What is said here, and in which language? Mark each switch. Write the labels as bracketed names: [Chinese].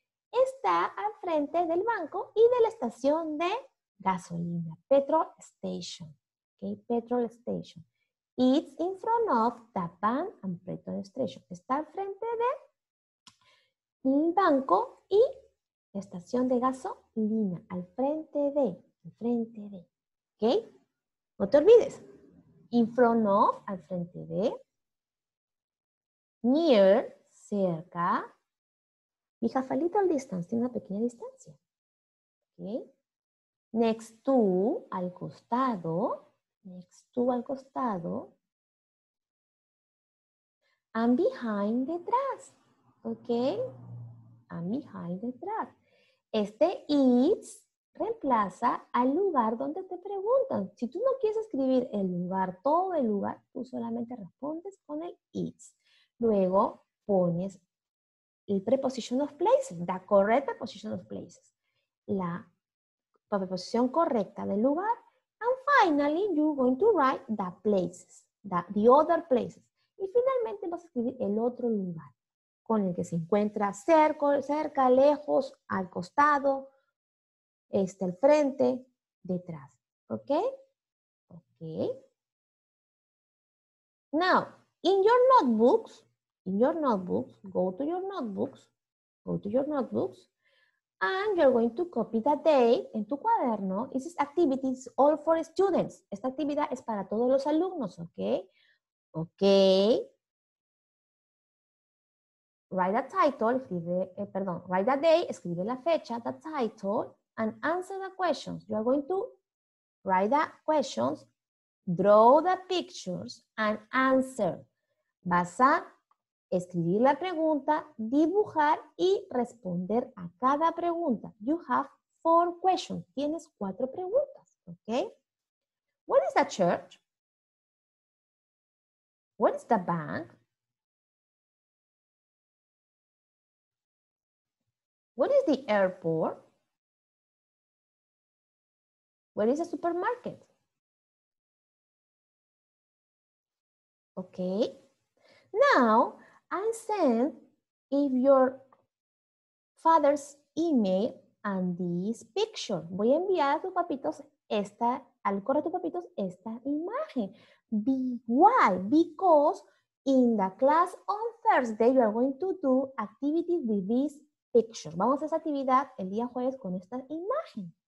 [Spanish] Está al frente del banco y de la estación de gasolina. [English] Petrol station. Okay, petrol station. It's in front of the bank and petrol station. [Spanish] Está al frente del banco y la estación de gasolina. Al frente de. Al frente de. ¿Ok? No te olvides. [English] In front of, [Spanish] al frente de. [English] Near, cerca. We have a little distance, [Spanish] tiene una pequeña distancia. [English] Okay. Next to, [Spanish] al costado. [English] Next to, al costado. And behind, detrás. Ok. And behind, detrás. [Spanish] Este it's reemplaza al lugar donde te preguntan. Si tú no quieres escribir el lugar, todo el lugar, tú solamente respondes con el it's. Luego pones el [English] preposition of places, [Spanish] la correcta preposition of places, la preposición correcta del lugar. [English] And finally, you're going to write the places, the other places. [Spanish] Y finalmente vas a escribir el otro lugar con el que se encuentra cerca, lejos, al costado, este, al frente, detrás. [English] ¿Ok? Ok. Now, in your notebooks, go to your notebooks, and you're going to copy the date [Spanish] en tu cuaderno. [English] This is activities all for students. [Spanish] Esta actividad es para todos los alumnos, ¿ok? [English] Ok. Write a title, [Spanish] escribe, perdón, [English] write a date, [Spanish] escribe la fecha, [English] the title, and answer the questions. You are going to write the questions, draw the pictures, and answer. [Spanish] Vas a escribir la pregunta, dibujar y responder a cada pregunta. [English] You have four questions. [Spanish] Tienes cuatro preguntas, ¿ok? [English] What is the church? What is the bank? What is the airport? What is the supermarket? Okay. Now, I send if your father's email and this picture. [Spanish] Voy a enviar a tu papitos esta, al correo de tu papitos esta imagen. [English] Why? Because in the class on Thursday, you are going to do activities with this picture. [Spanish] Vamos a esa actividad el día jueves con esta imagen.